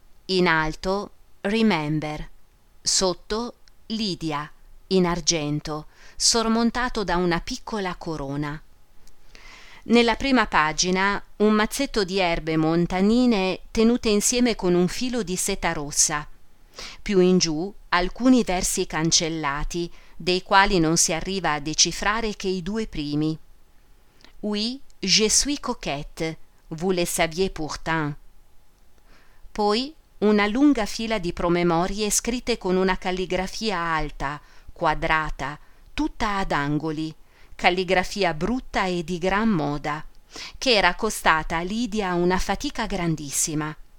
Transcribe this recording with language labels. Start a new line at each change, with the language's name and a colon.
Italian: In alto, Remember. Sotto, Lydia, in argento, sormontato da una piccola corona. Nella prima pagina, un mazzetto di erbe montanine tenute insieme con un filo di seta rossa. Più in giù, alcuni versi cancellati, dei quali non si arriva a decifrare che i due primi.
French: Oui, je suis coquette, vous le saviez pourtant.
Italian: Poi una lunga fila di promemorie scritte con una calligrafia alta, quadrata, tutta ad angoli, calligrafia brutta e di gran moda, che era costata a Lydia una fatica grandissima.